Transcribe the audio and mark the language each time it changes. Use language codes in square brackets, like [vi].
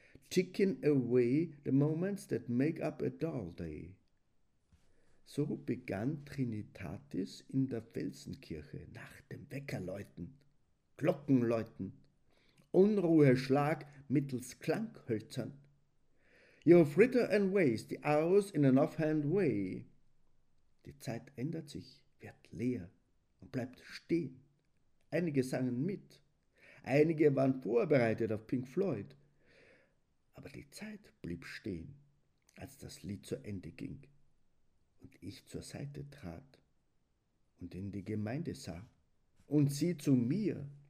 [en] Ticking away the moments that make up a dull day. [de] So begann Trinitatis in der Felsenkirche nach dem Weckerläuten, Glockenläuten, Unruheschlag mittels Klanghölzern. [en] You fritter and waste the hours in an offhand way. [de] Die Zeit ändert sich, wird leer und bleibt stehen. Einige sangen mit, einige waren vorbereitet auf Pink Floyd. Aber die Zeit blieb stehen, als das Lied zu Ende ging und ich zur Seite trat und in die Gemeinde sah und sie zu mir.